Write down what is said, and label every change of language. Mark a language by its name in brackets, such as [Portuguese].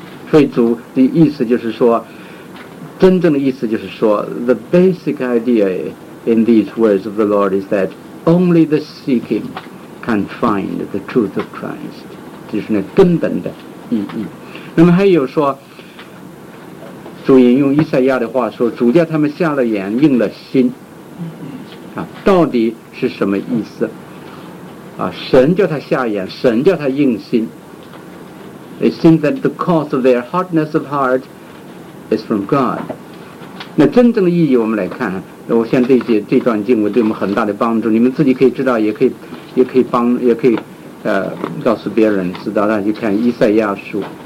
[Chinese] 所以主的意思就是说，真正的意思就是说， [English] The basic idea in these words of the Lord is that only the seeking can find the truth of Christ， [Chinese] 就是那根本的意义。那么还有说，主引用以赛亚的话说，主叫他们瞎了眼，硬了心啊，到底是什么意思啊？神叫他瞎眼，神叫他硬心。 [English] It seems that the cause of their hardness of heart is from God。 [Chinese] 那真正的意义我们来看，我想这段经文对我们很大的帮助，你们自己可以知道，也可以告诉别人知道。大家去看以赛亚书